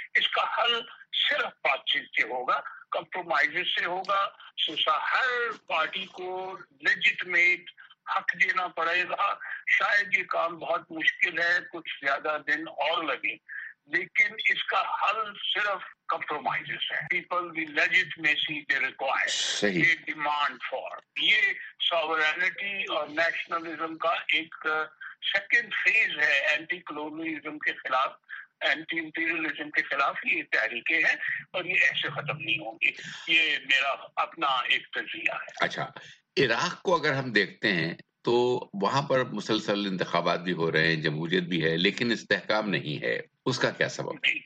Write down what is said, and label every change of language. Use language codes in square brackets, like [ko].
[ur] اس کا حل صرف بات چیت سے ہوگا, کمپرومائز سے ہوگا. ہر پارٹی کو لیجیٹمیٹ حق دینا پڑے گا. شاید یہ کام بہت مشکل ہے, کچھ زیادہ دن اور لگے, لیکن اس کا حل صرف کمپرومائزز ہے. [en] People the legitimacy they require, they demand for. [ur] یہ سوورینٹی اور نیشنلزم کا ایک سیکنڈ فیز ہے اینٹی کلونیلزم کے خلاف, اینٹی امپیریلزم کے خلاف یہ تحریکیں ہیں, اور یہ ایسے ختم نہیں ہوں گی. یہ میرا اپنا ایک تجزیہ ہے. اچھا, عراق کو اگر ہم دیکھتے ہیں تو وہاں پر مسلسل انتخابات بھی ہو رہے ہیں, جمہوریت بھی ہے, لیکن استحکام نہیں ہے, اس کا کیا سبب؟